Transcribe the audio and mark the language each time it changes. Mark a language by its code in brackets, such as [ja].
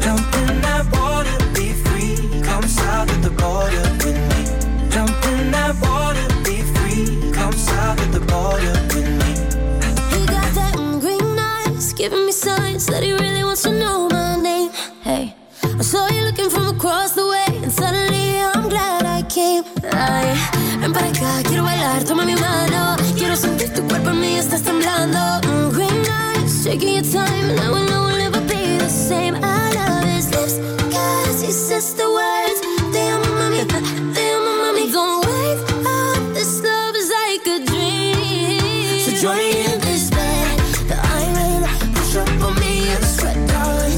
[en] Jump in that water, be free. Come south at the border with me. Jump in that water, be free. Come south at the border with me. You got that green eyes giving me signs that he really wants to know my name. Hey, I saw you looking from across the way, and suddenly I'm glad I came. [es] Ay, ven para acá, quiero bailar, toma mi mano. Quiero sentir tu cuerpo en mí, estás temblando. [en] Green eyes, taking your time, now I know we'll never be the same. I love his lips, cause he says the words. Damn, mami, damn, mami. Don't wake up, this love is like a dream. So join me in this bed that I'm in. Push up on me and sweat, darling.